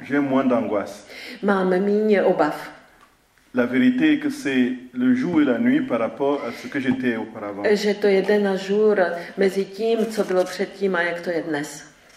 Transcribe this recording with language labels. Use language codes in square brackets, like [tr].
[fr] J'ai moins d'angoisse. [cs] Mám méně obav. [fr] La vérité est que c'est le jour et la nuit par rapport à ce que j'étais auparavant. [cs] Že to je den a jour mezi tím, co bylo předtím a jak to je dnes.